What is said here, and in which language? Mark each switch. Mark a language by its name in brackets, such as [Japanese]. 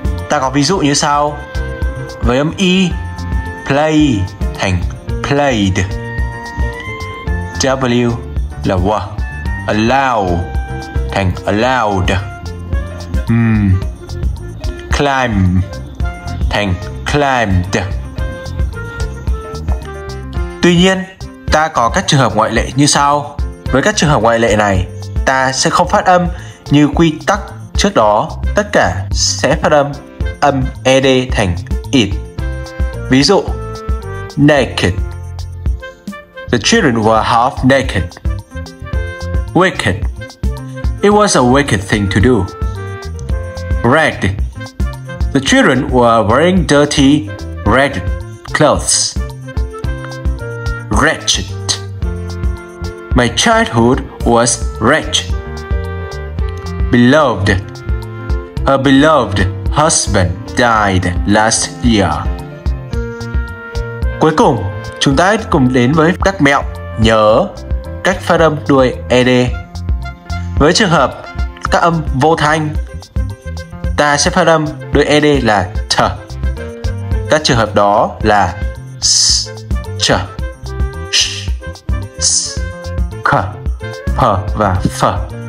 [Vietnamese] Ta có ví dụ như sau. Với âm I, play thành played, W là W, allow thành allowed, climb thành climbed. Tuy nhiên, ta có các trường hợp ngoại lệ như sau. Với các trường hợp ngoại lệ này, ta sẽ không phát âm như quy tắc trước đó, tất cả sẽ phát âm âm ED thành it. Ví dụ, [English] naked, the children were half naked, wicked, it was a wicked thing to do, ragged, the children were wearing dirty ragged clothes, wretched, my childhood was wretched, beloved, her beloved husband died last year. [Vietnamese] Cuối cùng, chúng ta cùng đến với các mẹo nhớ cách phát âm đuôi ED. Với trường hợp các âm vô thanh, ta sẽ phát âm đuôi ED là th. Các trường hợp đó là s, ch, sh, s, k, p và f.